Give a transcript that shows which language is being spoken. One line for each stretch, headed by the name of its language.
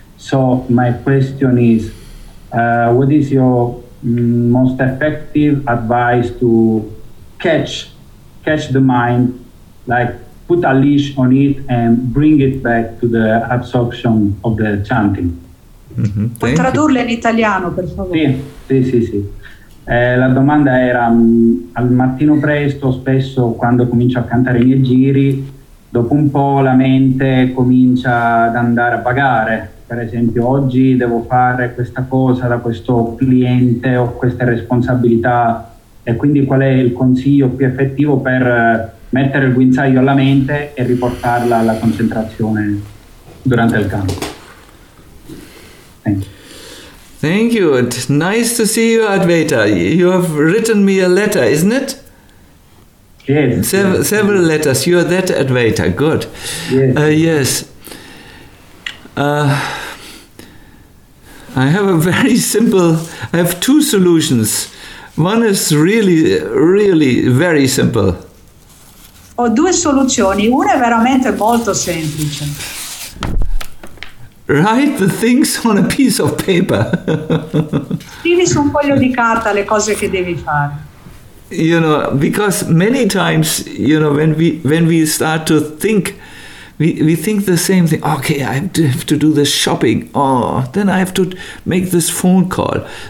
English: So my question is, what is your most effective advice to catch the mind, like put a leash on it and bring it back to the absorption of the chanting?
Italian: Mm-hmm. Puoi tradurla in italiano, per favore? Sì. La domanda era, al mattino presto, spesso quando comincio a cantare i miei giri, dopo un po' la mente comincia ad andare a vagare. Per esempio, oggi devo fare questa cosa da questo cliente, ho queste responsabilità. E quindi qual è il consiglio più effettivo per mettere il guinzaglio alla mente e riportarla alla concentrazione durante il canto?
English: Thank you. It's nice to see you, Advaita. You have written me a letter, isn't it? Yes. Several letters. You are that Advaita. Good. Yes. I have a very simple... I have two solutions. One is really, really very simple.
Italian: Ho due soluzioni. Una è veramente molto semplice.
English: Write the things on a piece of paper.
Italian: Scrivi su un foglio di carta le cose che devi fare.
English: You know, because many times, you know, when we start to think, we think the same thing. Okay, I have to do this shopping. Oh, then I have to make this phone call.